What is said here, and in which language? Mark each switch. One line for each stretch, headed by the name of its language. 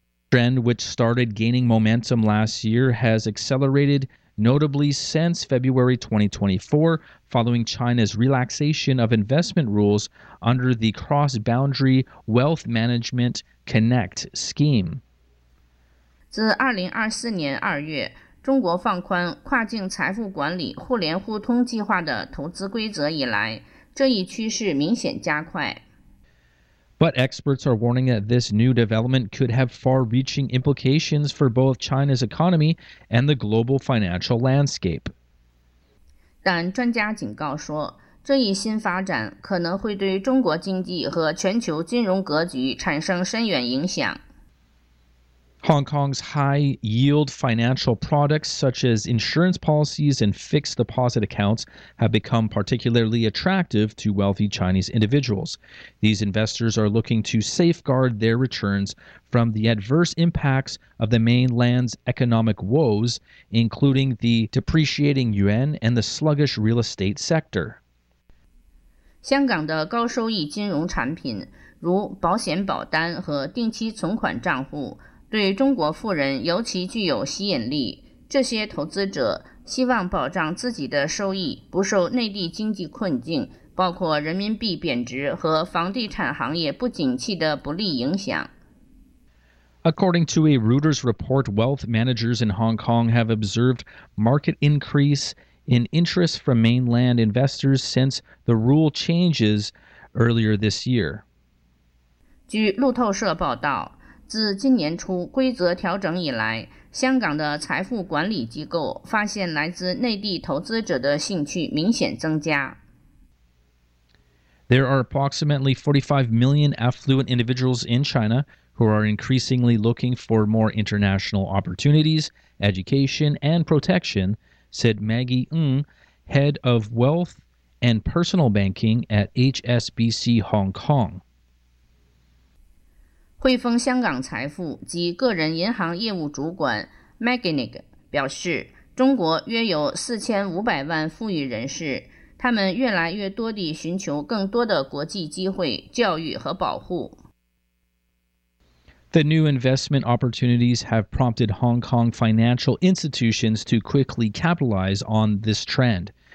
English: Trend which started gaining momentum last year has accelerated notably since February 2024, following China's relaxation of investment rules under the Cross-Boundary Wealth Management Connect scheme.
Chinese: 自2024年2月，中国放宽跨境财富管理互联互通计划的投资规则以来，这一趋势明显加快。
English: But experts are warning that this new development could have far-reaching implications for both China's economy and the global financial landscape.
Chinese: 但专家警告说，这一新发展可能会对中国经济和全球金融格局产生深远影响。
English: Hong Kong's high-yield financial products, such as insurance policies and fixed deposit accounts, have become particularly attractive to wealthy Chinese individuals. These investors are looking to safeguard their returns from the adverse impacts of the mainland's economic woes, including the depreciating yuan and the sluggish real estate sector.
Chinese: 香港的高收益金融产品，如保险保单和定期存款账户对中国富人尤其具有吸引力，这些投资者希望保障自己的收益不受内地经济困境，包括人民币贬值和房地产行业不景气的不利影响。
English: According to a Reuters report, wealth managers in Hong Kong have observed market increase in interest from mainland investors since the rule changes earlier this year.
Chinese: 据路透社报道，自今年初规则调整以来，香港的财富管理机构发现来自内地投资者的兴趣明显增加。
English: There are approximately 45 million affluent individuals in China who are increasingly looking for more international opportunities, education, and protection, said Maggie Ng, head of wealth and personal banking at HSBC Hong Kong.
Chinese: 汇丰香港财富及个人银行业务主管 Maginig 表示，中国约有4500万富裕人士，他们越来越多地寻求更多的国际机会、教育和保护。
English: The new investment opportunities have prompted Hong Kong financial institutions to quickly capitalize on this trend.